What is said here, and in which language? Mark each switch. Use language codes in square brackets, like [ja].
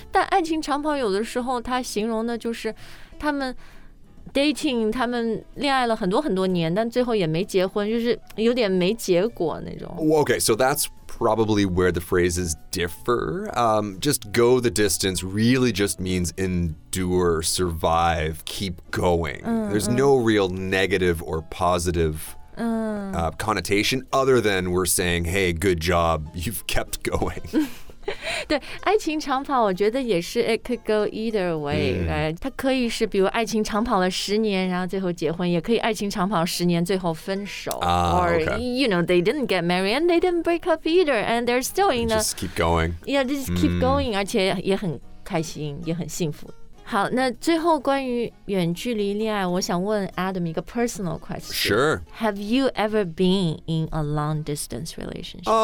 [zh] 但爱情长跑有的时候它形容的就是他们dating, 他们恋爱了很多很多年，但最后也没结婚，就是有点没结果那种。 [en] Well, okay, so that's probably where the phrases differ. Just go the distance really just means endure, survive, keep going. There's no real negative or positive connotation other than we're saying, hey, good job, you've kept going. [zh] 对，爱情长跑我觉得也是 [en] it could go either way、right? [zh] 它可以是比如爱情长跑了十年然后最后结婚也可以爱情长跑十年最后分手 [en] or、okay. you know they didn't get married and they didn't break up either and they're still in just keep going yeah just keep going [zh] 而且也很开心也很幸福好那最后关于远距离恋爱我想问 Adam 一个 personal question [en] sure have you ever been in a long distance relationship